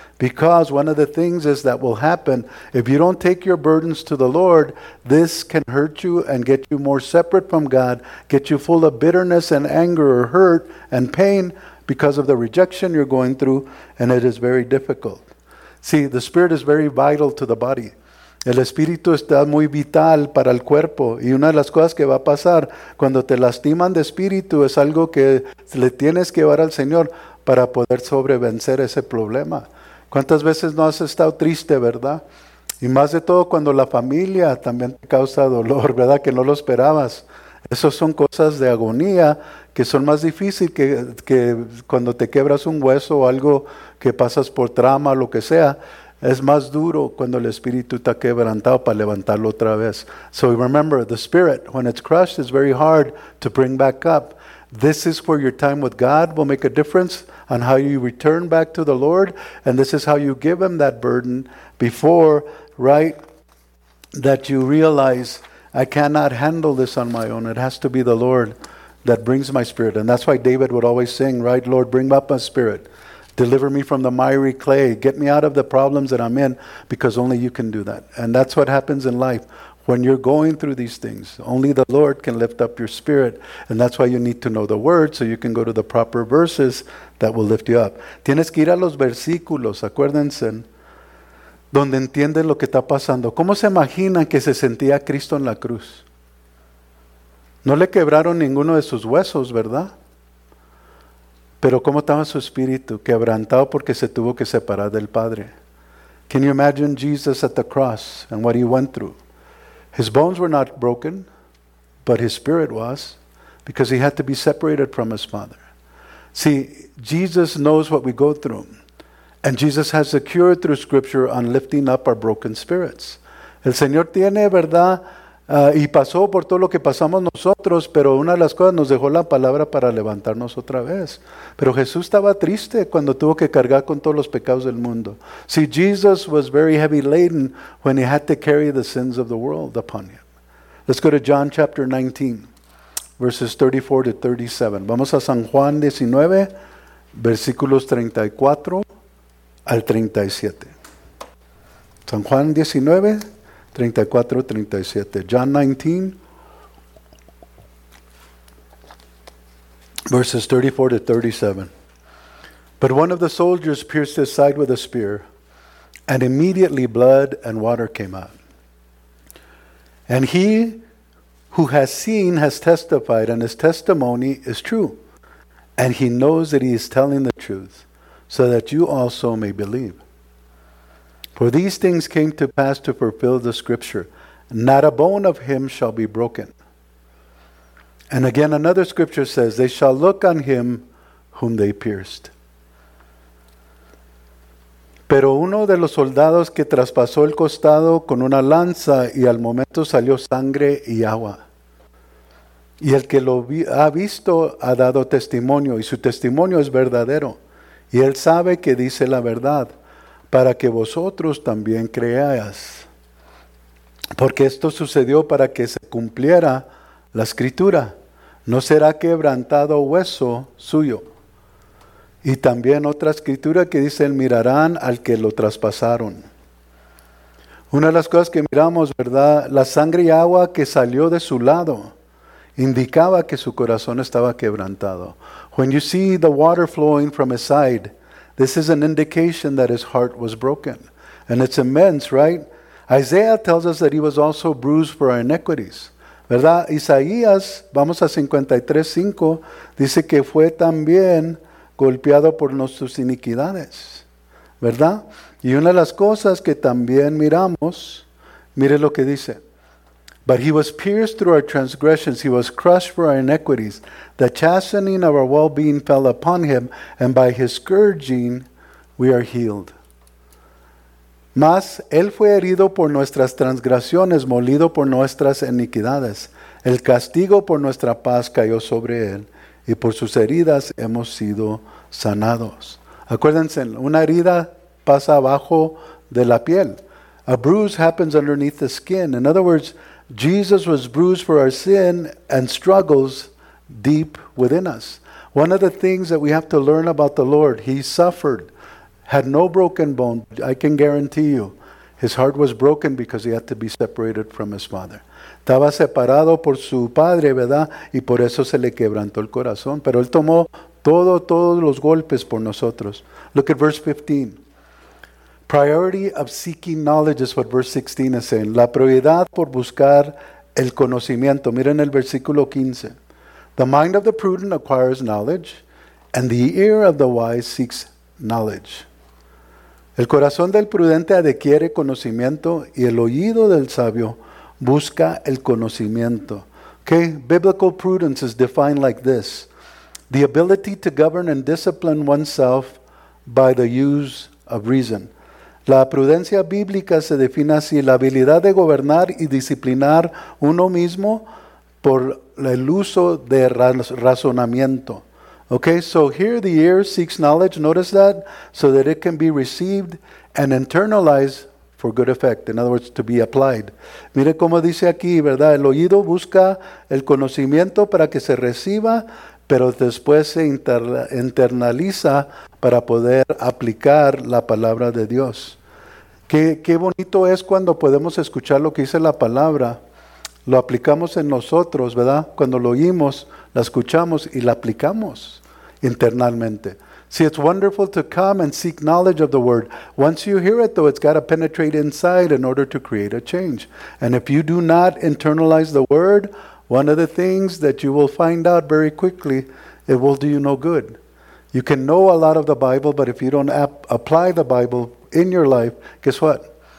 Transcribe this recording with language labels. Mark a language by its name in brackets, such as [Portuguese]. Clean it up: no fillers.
[English] Because one of the things is that will happen, if you don't take your burdens to the Lord, this can hurt you and get you more separate from God, get you full of bitterness and anger or hurt and pain because of the rejection you're going through, and it is very difficult. See, the spirit is very vital to the body. [Spanish] El espíritu está muy vital para el cuerpo. Y una de las cosas que va a pasar cuando te lastiman de espíritu es algo que le tienes que llevar al Señor para poder sobrevencer ese problema. ¿Cuántas veces no has estado triste, verdad? Y más de todo cuando la familia también te causa dolor, ¿verdad? Que no lo esperabas. Esas son cosas de agonía que son más difíciles que cuando te quebras un hueso o algo que pasas por trauma, lo que sea. Es más duro cuando el espíritu está quebrantado para levantarlo otra vez. [English] So remember, the spirit, when it's crushed, is very hard to bring back up. This is where your time with God will make a difference on how you return back to the Lord. And this is how you give him that burden before, right, that you realize, I cannot handle this on my own. It has to be the Lord that brings my spirit. And that's why David would always sing, right, Lord, bring up my spirit. Deliver me from the miry clay. Get me out of the problems that I'm in, because only you can do that. And that's what happens in life. When you're going through these things, only the Lord can lift up your spirit. And that's why you need to know the word so you can go to the proper verses that will lift you up. [Spanish] Tienes que ir a los versículos, acuérdense, donde entiendes lo que está pasando. ¿Cómo se imaginan que se sentía Cristo en la cruz? No le quebraron ninguno de sus huesos, ¿verdad? Pero ¿cómo estaba su espíritu? Quebrantado porque se tuvo que separar del Padre. [English] Can you imagine Jesus at the cross and what he went through? His bones were not broken, but his spirit was, because he had to be separated from his Father. See, Jesus knows what we go through. And Jesus has a cure through Scripture on lifting up our broken spirits. [Spanish] El Señor tiene, ¿verdad? Y pasó por todo lo que pasamos nosotros, pero una de las cosas nos dejó la palabra para levantarnos otra vez. Pero Jesús estaba triste cuando tuvo que cargar con todos los pecados del mundo. [English] See, Jesus was very heavy laden when he had to carry the sins of the world upon him. Let's go to John chapter 19, verses 34 to 37. [Spanish] Vamos a San Juan 19, versículos 34 al 37. San Juan 19, 34, 37. [English] John 19, verses 34 to 37. But one of the soldiers pierced his side with a spear, and immediately blood and water came out. And he who has seen has testified, and his testimony is true. And he knows that he is telling the truth, so that you also may believe. For these things came to pass to fulfill the scripture, not a bone of him shall be broken. And again, another scripture says, they shall look on him whom they pierced. [Spanish] Pero uno de los soldados que traspasó el costado con una lanza, y al momento salió sangre y agua. Y el que lo ha visto ha dado testimonio, y su testimonio es verdadero. Y él sabe que dice la verdad, para que vosotros también creáis. Porque esto sucedió para que se cumpliera la escritura. No será quebrantado hueso suyo. Y también otra escritura que dice, mirarán al que lo traspasaron. Una de las cosas que miramos, ¿verdad? La sangre y agua que salió de su lado indicaba que su corazón estaba quebrantado. [English] When you see the water flowing from his side, this is an indication that his heart was broken. And it's immense, right? Isaiah tells us that he was also bruised for our iniquities. [Spanish] ¿Verdad? Isaías, vamos a 53:5, dice que fue también golpeado por nuestras iniquidades. ¿Verdad? Y una de las cosas que también miramos, mire lo que dice. [English] But he was pierced through our transgressions. He was crushed for our iniquities. The chastening of our well-being fell upon him, and by his scourging we are healed. [Spanish] Mas él fue herido por nuestras transgresiones, molido por nuestras iniquidades. El castigo por nuestra paz cayó sobre él, y por sus heridas hemos sido sanados. Acuérdense, una herida pasa abajo de la piel. [English] A bruise happens underneath the skin. In other words, Jesus was bruised for our sin and struggles deep within us. One of the things that we have to learn about the Lord, he suffered, had no broken bone. I can guarantee you, his heart was broken because he had to be separated from his father. [Spanish] Estaba separado por su padre, ¿verdad? Y por eso se le quebrantó el corazón. Pero él tomó todos los golpes por nosotros. [English] Look at verse 15. Priority of seeking knowledge is what verse 16 is saying. [Spanish] La prioridad por buscar el conocimiento. Miren el versículo 15. [English] The mind of the prudent acquires knowledge, and the ear of the wise seeks knowledge. [Spanish] El corazón del prudente adquiere conocimiento, y el oído del sabio busca el conocimiento. [English] Okay, biblical prudence is defined like this. The ability to govern and discipline oneself by the use of reason. [Spanish] La prudencia bíblica se define así, la habilidad de gobernar y disciplinar uno mismo por el uso de razonamiento. [English] Okay, so here the ear seeks knowledge, notice that, so that it can be received and internalized for good effect. In other words, to be applied. [Spanish] Mire cómo dice aquí, ¿verdad? El oído busca el conocimiento para que se reciba, pero después se internaliza para poder aplicar la palabra de Dios. Qué bonito es cuando podemos escuchar lo que dice la palabra, lo aplicamos en nosotros, ¿verdad? Cuando lo oímos, la escuchamos y la aplicamos internalmente. [English] See, it's wonderful to come and seek knowledge of the word. Once you hear it, though, it's got to penetrate inside in order to create a change. And if you do not internalize the word, one of the things that you will find out very quickly, it will do you no good. You can know a lot of the Bible, but if you don't apply the Bible in your life, guess what?